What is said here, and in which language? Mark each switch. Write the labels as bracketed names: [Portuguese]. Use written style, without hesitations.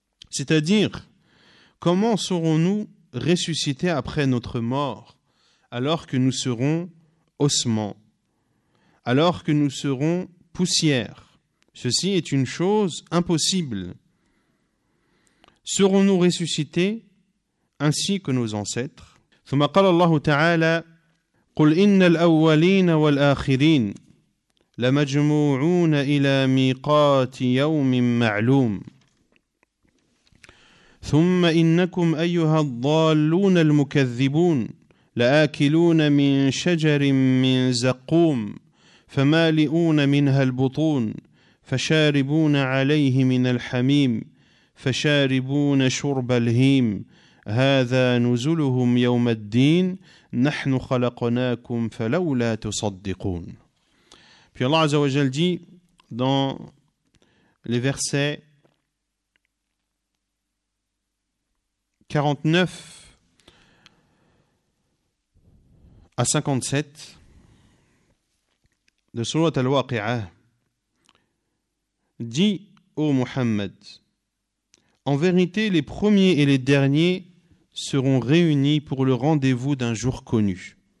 [French] C'est-à-dire, comment serons-nous ressuscités après notre mort, alors que nous serons ossements, alors que nous serons poussière ? Ceci est une chose impossible. Serons-nous ressuscités ainsi que nos ancêtres ? [Arabic] ثم قال الله تعالى قل إن الأولين والآخرين لمجموعون إلى ميقات يوم معلوم ثم إنكم أيها الضالون المكذبون لآكلون من شجر من زقوم فمالئون منها البطون فشاربون عليه من الحميم فشاربون شرب الهيم هذا نزلهم يوم الدين نحن خلقناكم فلولا تصدقون. [French] Puis Allah Azza wa Jal dit dans les versets 49 à 57 de Sourate Al-Waqi'ah, dit ô Muhammad, en vérité, les premiers et les derniers seront réunis pour le rendez-vous d'un jour connu.